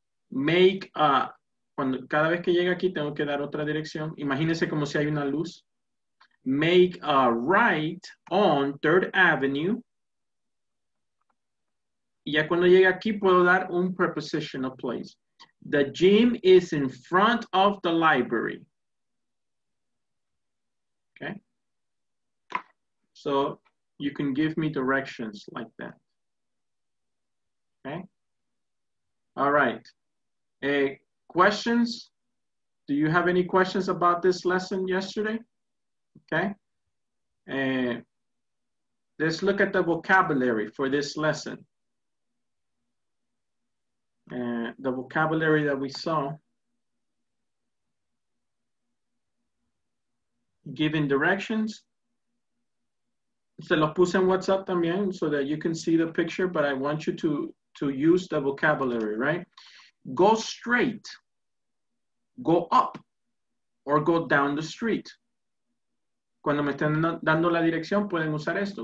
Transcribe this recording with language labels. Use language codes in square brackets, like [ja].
[en] Make a, [es] cuando, cada vez que llegue aquí tengo que dar otra dirección. Imagínense como si hay una luz. [en] Make a right on Third Avenue. [es] Y ya cuando llegue aquí puedo dar un [en] preposition of place. The gym is in front of the library. Okay. So you can give me directions like that. Okay. All right. Questions? Do you have any questions about this lesson yesterday? Okay. Let's look at the vocabulary for this lesson. The vocabulary that we saw giving directions. [es] Se los puse en WhatsApp también [en] so that you can see the picture, but I want you to use the vocabulary, right? Go straight, go up, or go down the street. [es] Cuando me estén dando la dirección, pueden usar esto.